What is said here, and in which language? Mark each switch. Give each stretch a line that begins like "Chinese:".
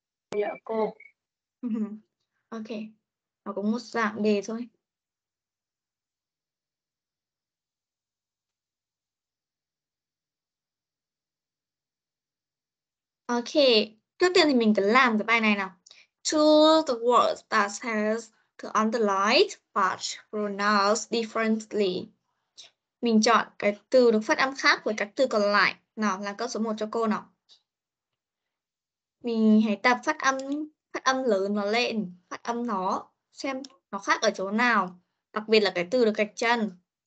Vietnamese: Dạ cô. Ok. Nó cũng một dạng đề thôi. Ok, trước tiên thì mình cứ làm cái bài này nào.
English: Choose the word that has the underlined part pronounced differently.
Vietnamese: Mình chọn cái từ được phát âm khác với các từ còn lại. Nào, làm câu số 1 cho cô nào. Mình hãy tập phát âm lớn nó lên, phát âm nó xem nó khác ở chỗ nào, đặc biệt là cái từ được gạch chân.